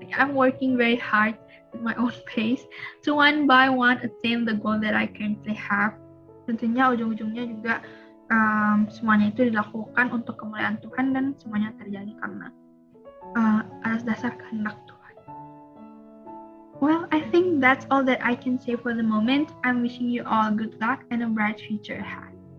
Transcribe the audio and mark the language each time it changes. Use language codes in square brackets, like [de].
[en] I'm working very hard at my own pace to one by one attain the goal that I currently have. [id] Tentunya ujung-ujungnya juga semuanya itu dilakukan untuk kemuliaan Tuhan dan semuanya terjadi karena atas dasar kehendak Tuhan. [en] Well, I think that's all that I can say for the moment. I'm wishing you all good luck and a bright future ahead.